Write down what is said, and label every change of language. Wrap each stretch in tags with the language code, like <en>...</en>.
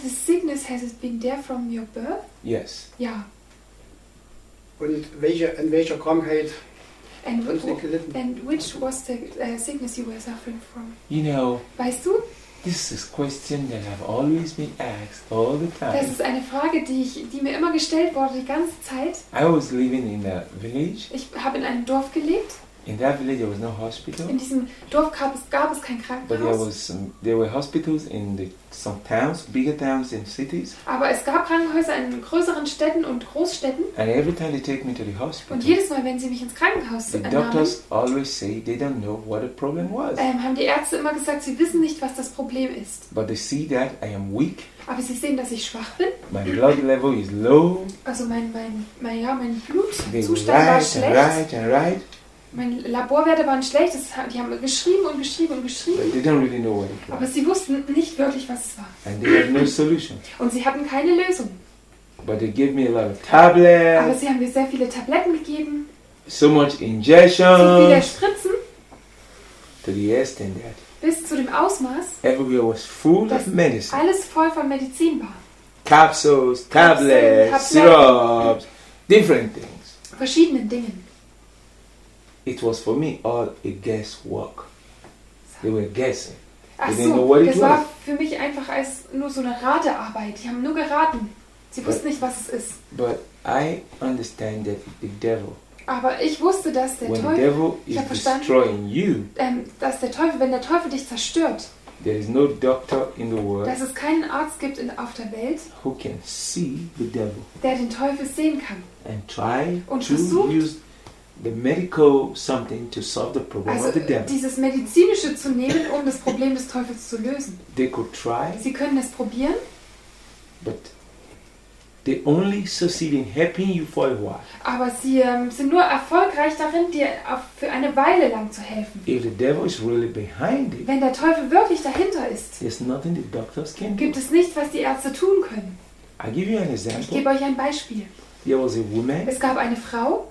<en>The sickness has it been there from your birth? Yes.</en> <de>Ja. Und an welcher Krankheit hast du gelitten?</de> <en>And which was the sickness you were suffering from? You know.</en> <de>Weißt du?</de> <en>This is a question that I've always been asked all the time.</en> <de>Das ist eine Frage, die mir immer gestellt wurde die ganze Zeit.</de> <en>I was living in a village.</en> <de>Ich habe in einem Dorf gelebt.</de> <en>In that village there was no hospital.</en> <de>In diesem Dorf gab es kein Krankenhaus.</de> <en>But there were hospitals in some towns, bigger towns and cities.</en> <de>Aber es gab Krankenhäuser in größeren Städten und Großstädten.</de> <en>And every time they take me to the hospital.</en> <de>Und jedes Mal, wenn sie mich ins Krankenhaus nahmen.</de> <en>The doctors always say they don't know what the problem was.</en> <de>Haben die Ärzte immer gesagt, sie wissen nicht, was das Problem ist.</de> <en>But they see that I am weak.</en> <de>Aber sie sehen, dass ich schwach bin.</de> <en>My blood level is low.</en> <de>Also mein Blutzustand war schlecht.</de> <en>Right and right.</en> <de>Meine Laborwerte waren schlecht. Die haben geschrieben und geschrieben und geschrieben.</de> <en>But they didn't really know what it was.</en> <de>Aber sie wussten nicht wirklich, was es war.</de> <en>And they had no solution.</en> <de>Und sie hatten keine Lösung.</de> <en>But they gave me a lot of tablets.</en> <de>Aber sie haben mir sehr viele Tabletten gegeben.</de> <en>So much injections.</en> <de>So viele Spritzen.</de> <en>To the extent that.</en> <de>Bis zu dem Ausmaß.</de> <en>Everywhere was full of medicine.</en> <de>Alles voll von Medizin war.</de> <en>Capsules, tablets, syrups, different things.</en> <de>Verschiedene Dinge.</de> <en>It was for me all a guesswork. They were guessing.</en> <de>Ach so, das war für mich einfach als nur so eine Ratearbeit. Die haben nur geraten. Sie wussten nicht, was es ist.</de> <en>But I understand that the devil.</en> <de>Aber ich wusste, dass der</de> <en>when</en> <de>Teufel,</de> <en>the devil is destroying you,</en> <de>dass der Teufel, wenn der Teufel dich zerstört,</de> <en>there is no doctor in the world,</en> <de>dass es keinen Arzt gibt auf der Welt,</de> <en>who can see the devil,</en> <de>der den Teufel sehen kann,</de> <en>and try</en> <de>und</de> <en>to</en> <de>versucht,</de> <en>use the medical something to solve the problem</en> <de>also</de> <en>of the devil.</en> <de>Dieses medizinische zu nehmen, um das Problem des Teufels zu lösen.</de> <en>They could try,</en> <de>sie können es probieren,</de> <en>but they only succeed in helping you for a while.</en> <de>Aber sie sind nur erfolgreich darin, dir für eine Weile lang zu helfen.</de> <en>If the devil is really behind it,</en> <de>wenn der Teufel wirklich dahinter ist,</de> <en>there's nothing the doctors can do.</en> <de>Gibt es nichts, was die Ärzte tun können.</de> <en>I give you an example.</en> <de>Ich gebe euch ein Beispiel.</de> <en>There was a woman,</en> <de>es gab eine Frau,</de>